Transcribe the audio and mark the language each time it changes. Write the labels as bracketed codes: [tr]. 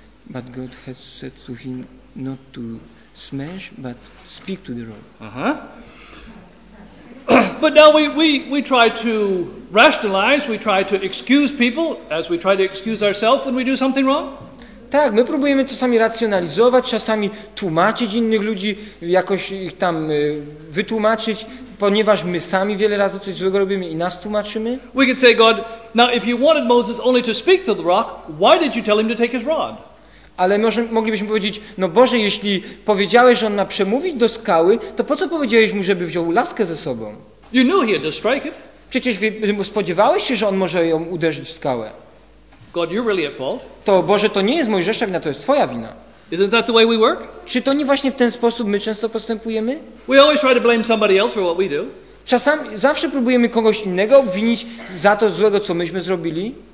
[en] But God has said to him not to smash, but speak to the rock. Uh-huh. But now we try to rationalize, we try to excuse people, as we try to excuse ourselves when we do something wrong. [pl] Tak, my próbujemy czasami racjonalizować, czasami tłumaczyć innych ludzi, jakoś ich tam wytłumaczyć, ponieważ my sami wiele razy coś złego robimy i nas tłumaczymy. [en] We could say, God, now if you wanted Moses only to speak to the rock, why did you tell him to take his rod? [pl] Ale moglibyśmy powiedzieć, no Boże, jeśli powiedziałeś, że on ma przemówić do skały, to po co powiedziałeś mu, żeby wziął laskę ze sobą? [en] You knew he had to strike it. [pl] Przecież spodziewałeś się, że on może ją uderzyć w skałę. [en] God, you're really at fault. [pl] To Boże, to nie jest Mojżesza wina, to jest Twoja wina. [en] Isn't that the way we work? [pl] Czy to nie właśnie w ten sposób my często postępujemy? [en] We always try to blame somebody else for what we do. [pl] Czasami zawsze próbujemy kogoś innego obwinić za to złego, co myśmy zrobili.